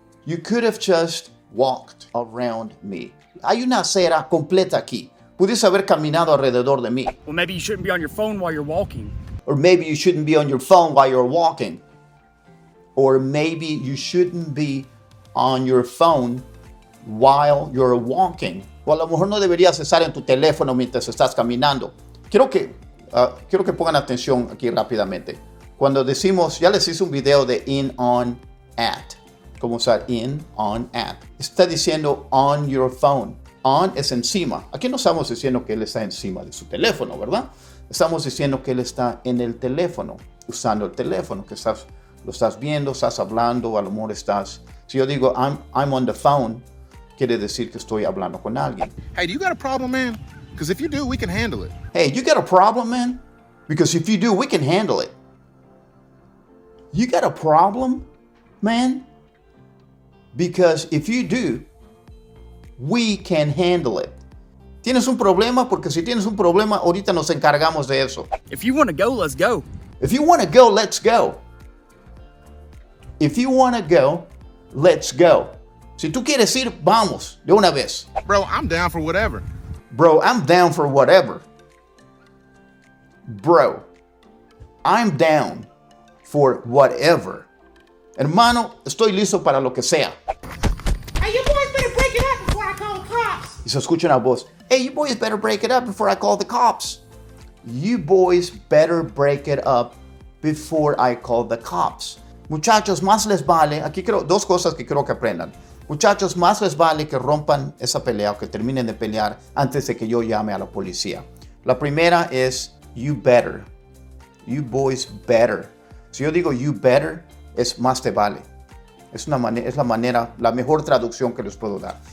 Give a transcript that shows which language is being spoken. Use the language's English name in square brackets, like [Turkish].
[English] You could have just walked around me. [Spanish] Hay una acera completa aquí. Pudiste haber caminado alrededor de mí. [English] Well, maybe you shouldn't be on your phone while you're walking. Or maybe you shouldn't be on your phone while you're walking. Or maybe you shouldn't be on your phone while you're walking. [Spanish] O a lo mejor no deberías estar en tu teléfono mientras estás caminando. Quiero que pongan atención aquí rápidamente. Cuando decimos, ya les hice un video de in, on, at. ¿Cómo usar in, on, at? Está diciendo [English] on your phone. [Spanish] On es encima. Aquí no estamos diciendo que él está encima de su teléfono, ¿verdad? Estamos diciendo que él está en el teléfono, usando el teléfono, que estás, lo estás viendo, estás hablando, a lo mejor estás... Si yo digo, [English] I'm on the phone, [Spanish] quiere decir que estoy hablando con alguien. [English] Hey, do you got a problem, man? Because if you do, we can handle it. Hey, you got a problem, man? Because if you do, we can handle it. You got a problem, man? Because if you do, we can handle it. [Spanish] ¿Tienes un problema? Porque si tienes un problema, ahorita nos encargamos de eso. [English] If you want to go, let's go. If you want to go, let's go. If you want to go, let's go. [Spanish] Si tú quieres ir, vamos, de una vez. [English] Bro, I'm down for whatever. Bro, I'm down for whatever. Bro, I'm down for whatever. [Spanish] Hermano, estoy listo para lo que sea. [English] Hey, you boys better break it up before I call the cops. [Spanish] Y se escucha una voz. [English] Hey, you boys better break it up before I call the cops. You boys better break it up before I call the cops. [Spanish] Muchachos, más les vale, aquí creo, dos cosas que creo que aprendan. Muchachos, más les vale que rompan esa pelea o que terminen de pelear antes de que yo llame a la policía. La primera es, [English] you better. You boys better. [Spanish] Si yo digo [English] you better, [Spanish] es más te vale. Es la mejor traducción que les puedo dar.